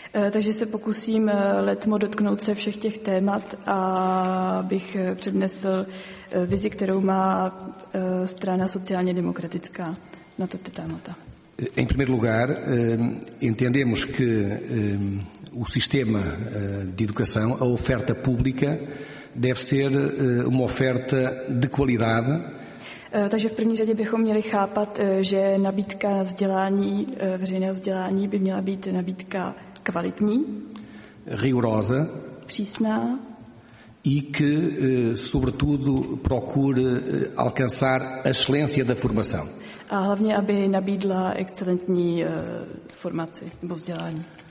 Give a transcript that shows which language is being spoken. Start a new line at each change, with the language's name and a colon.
Czech: Takže se pokusím letmo dotknout se všech těch témat a bych přednesl vizi, kterou má strana sociálně demokratická na tato témata.
Portuguese: Em primeiro lugar, entendemos que o sistema de educação, a oferta pública, deve ser uma oferta de qualidade.
Czech: Takže v první řadě bychom měli chápat, že nabídka na vzdělání, veřejného vzdělání by měla být nabídka kvalitní,
Portuguese: rigorosa,
Czech: přísná,
Portuguese: e que sobretudo procure alcançar a excelência da formação.
Czech: A hlavně, aby nabídla excelentní formaci nebo vzdělání.